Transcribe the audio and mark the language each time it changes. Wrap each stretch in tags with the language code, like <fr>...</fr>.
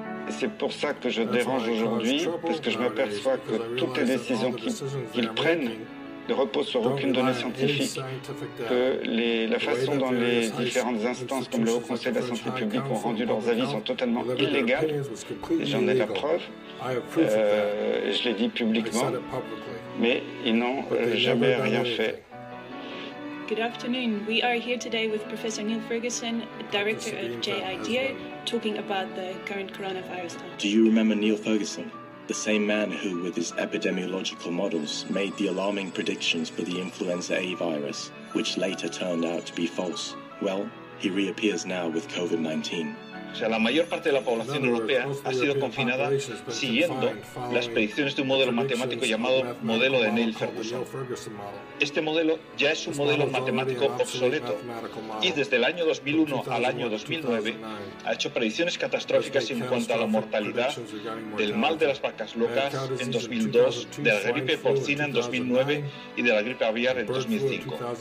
<fr>C'est pour ça que je dérange aujourd'hui, parce que je m'aperçois que toutes les décisions qu'ils prennent ne reposent sur aucune donnée scientifique, que la façon dont les différentes instances comme le Haut Conseil de la Santé publique ont rendu leurs avis sont totalement illégales, et j'en ai la preuve, je l'ai dit publiquement, mais ils n'ont jamais rien fait.</fr> <en>Good afternoon. We are here today with Professor Neil Ferguson, director of JIDA, talking about the current coronavirus. Do you remember Neil Ferguson, the same man who, with his epidemiological models, made the alarming predictions for the influenza A virus, which later turned out to be false? Well, he reappears now with COVID-19.</en> <es>O sea, la mayor parte de la población europea ha sido confinada siguiendo las predicciones de un modelo matemático llamado modelo de Neil Ferguson. Este modelo ya es un modelo matemático obsoleto y desde el año 2001 al año 2009 ha hecho predicciones catastróficas en cuanto a la mortalidad del mal de las vacas locas en 2002, de la gripe porcina en 2009 y de la gripe aviar en 2005.</es>